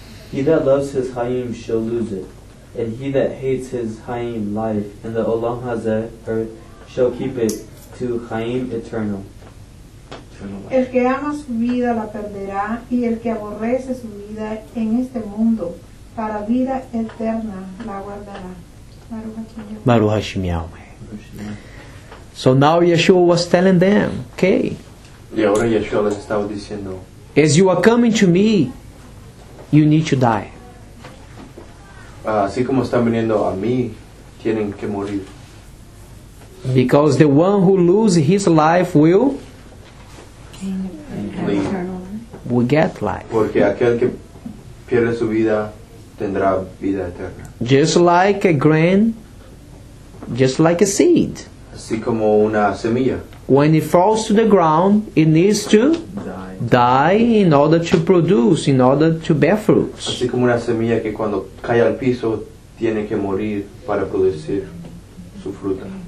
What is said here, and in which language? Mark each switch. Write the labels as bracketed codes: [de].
[en] He that loves his Hayim shall lose it, and he that hates his Hayim life in the Olam Hazeh earth shall keep it to Hayim eternal. [es] El que ama su vida la perderá, y el que aborrece su vida en este mundo para vida eterna la guardará. [he] Baruch Hashem Yahweh. [en] So now Yeshua was telling them, okay. [es] Y ahora Yeshua les estaba diciendo, [en] as you are coming to me, you need to die. [es] Así como están viniendo a mí, tienen que morir. [en] Because the one who loses his life will we get life. [es] Porque aquel que pierde su vida tendrá vida eterna. [en] Just like a grain, just like a seed. [es] Así como una semilla. [en] When it falls to the ground, it needs to die in order to produce, in order to bear fruits. [es] Así como una semilla que cuando cae al piso tiene que morir para producir su fruta.